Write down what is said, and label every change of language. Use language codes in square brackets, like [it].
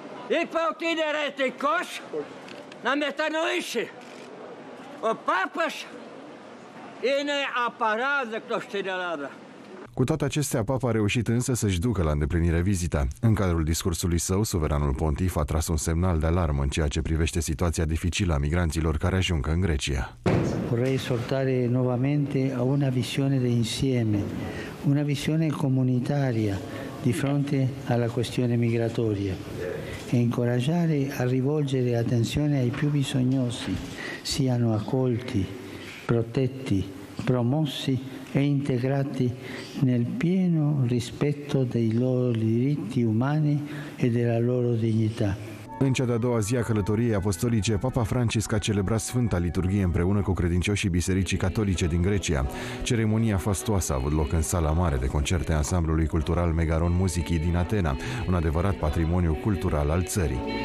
[ro] I pa o papa ine aparat de coste de lada. Cu toate acestea, papa a reușit însă să-și ducă la îndeplinire vizita. În cadrul discursului său, suveranul pontif a tras un semnal de alarmă în ceea ce privește situația dificilă a migranților care ajung în Grecia. [it] Vorrei sortare nuovamente a una visione de insieme, una visione comunitaria di fronte alla questione migratoria e incoraggiare a rivolgere attenzione ai più bisognosi, siano accolti, protetti, promossi e integrati nel pieno rispetto dei loro diritti umani e della loro dignità. [ro] În cea de-a doua zi a călătoriei apostolice, Papa Francisc a celebrat Sfânta Liturghie împreună cu credincioșii Bisericii Catolice din Grecia. Ceremonia fastoasă a avut loc în sala mare de concerte a ansamblului cultural Megaron Muzicii din Atena, un adevărat patrimoniu cultural al țării.